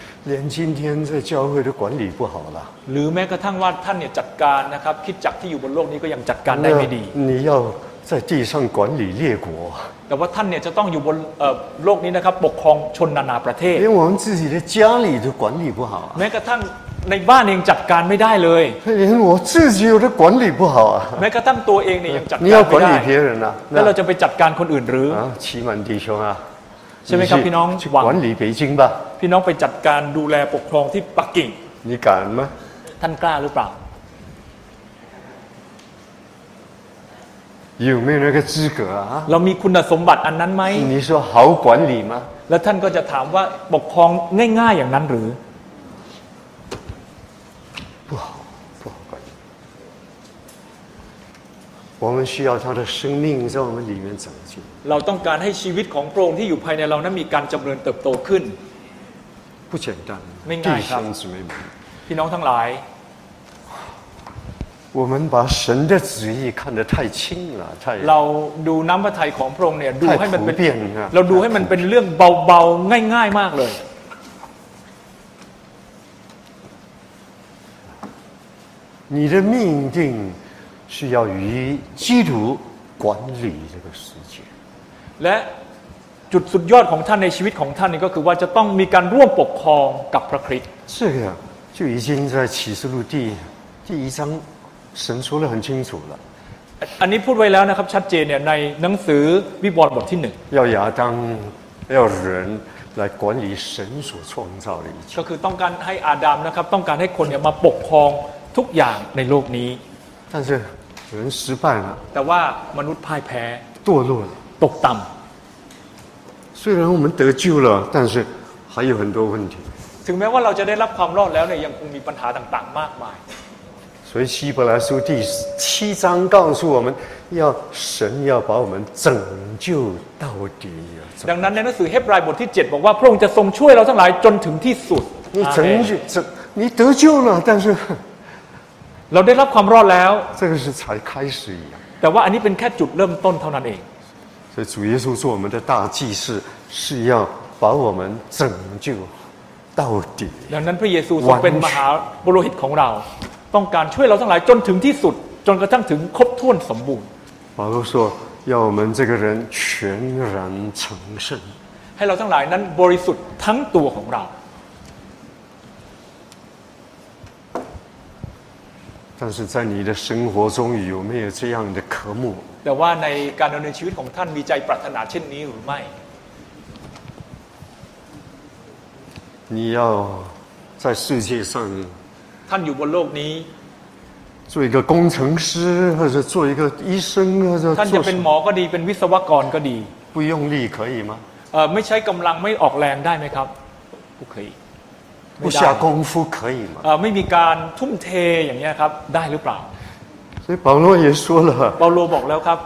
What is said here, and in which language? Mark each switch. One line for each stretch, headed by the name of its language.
Chinese: 连今天在教会都管理不好了。
Thai: หรือแม้กระทั่งว่าท่านเนี่ยจัดการนะครับคิดจักที่อยู่บนโลกนี้ก็ยังจัดการได้ไม่ดี。
Chinese: 你要在地上管理列国。
Thai: แต่ว่าท่านเนี่ยจะต้องอยู่บนโลกนี้นะครับปกครองชนนานาประเทศ
Chinese: 连我们自己的家里都管理不好
Thai: แม้กระทั่งในบ้านเองจัดการไม่ได้เลย
Chinese: 连我自己都管理不好
Thai: แม้กระทั่งตัวเองเนี่ยยังจัดการ ไม่ได้
Chinese: 你要管理别人啊
Thai: 那เราจะไปจัดการคนอื่นหรือ
Chinese: 启门弟兄啊
Thai: ใช่ไหมครับพี่น้อง
Chinese: หวัง管理北京吧
Thai: พี่น้องไปจัดการดูแลปกครองที่ปักกิ่ง
Chinese: 你敢吗
Thai: ท่านกล้าหรือเปล่า
Chinese: 有没有那个资格啊？
Thai: เรามีคุณสมบัติอันนั้นไหม？
Chinese: 你说好管理吗？
Thai: แล้วท่านก็จะถามว่าปกครองง่ายๆอย่างนั้นหรือ？
Chinese: 不好，不好管理。我们需要他的生命在我们里面长进。
Thai: เราต้องการให้ชีวิตของพระองค์ที่อยู่ภายในเรานั้นมีการเจริญเติบโตขึ้น。
Chinese: 不简单。
Thai: ไม่ง่ายครับ。
Chinese: 弟兄姊妹们。
Thai: พี่น้องทั้งหลาย。
Chinese: 我们把神的旨意看得太轻了，太
Thai: เราดูน้ำพระทัยของพระองค์เนี่ยดูให้มันเป็ นเราดูให้มันเป็นเรื่องเบาๆง่ายๆมากเลย
Chinese: 你的命定是要与基督管理这个世界
Thai: และจุดสุดยอดของท่านในชีวิตของท่านนี่ก็คือว่าจะต้องมีการร่วมปกครองกับพระคริสต์
Chinese: 这个就已经在启示录第一章神说得很清楚了
Thai: อันนี้พูดไว้แล้วนะครับชัดเจนเนี่ยในหนังสือวิบวรณ์บทที่1
Chinese: 要亚当要人来管理神所创造的一切
Thai: ก็คือต้องการให้อาดัมนะครับต้องการให้คนเนี่ยมาปกครองทุกอย่างในโลกนี้
Chinese: 但是人失败了
Thai: แต่ว่ามนุษย์พ่ายแพ้
Chinese: 堕落了
Thai: ตกต่ำ
Chinese: 虽然我们得救了但是还有很多问题
Thai: ถึงแม้ว่าเราจะได้รับความรอดแล้วเนี่ยยังคงมีปัญหาต่างๆมากมาย
Chinese: 所以希伯来书第七章告诉我们要神要把我们拯救到底
Thai: ดังนั้นในหนังสือเฮบรายบทที่7บอกว่าพระองค์จะทรงช่วยเราทั้งหลายจนถึงที่สุด
Chinese: 你拯救你得救了但是
Thai: เราได้รับความรอดแล้ว
Chinese: 这个是才开始一样
Thai: แต่ว่าอันนี้เป็นแค่จุดเริ่มต้นเท่านั้นเอง
Chinese: 所以主耶稣做我们的大祭司是要把我们拯救到底
Thai: ดังนั้นพระเยซูทรงเป็นมหาปุโรหิตของเราต้องการช่วยเราทั้งหลายจนถึงที่สุดจนกระทั่งถึงครบถ้วนสมบูรณ์
Chinese: 保罗说要我们这个人全然成圣
Thai: ให้เราทั้งหลายนั้นบริสุทธิ์ทั้งตัวของเรา
Chinese: 但是在你的生活中有没有这样的渴慕
Thai: แต่ว่าในการดำเนินชีวิตของท่านมีใจปรารถนาเช่นนี้หรือไม่
Chinese: 你要在世界上
Thai: ท่านอยู่บนโลกนี้
Chinese: 做一个工程师，或者做一个医生，或者做什么？他就
Thai: เป็นหมอก็ดีเป็นวิศวกรก็ดี
Chinese: 不用力可以吗？
Thai: ไม่ใช้กำลังไม่ออกแรงได้ไหมครับ
Chinese: 不可以不下功夫可以吗？
Thai: ไม่มีการทุ่มเทอย่างนี้ครับได้หรือเปล่า
Chinese: 所以保罗也说了
Thai: 保罗บอกแล้วครับ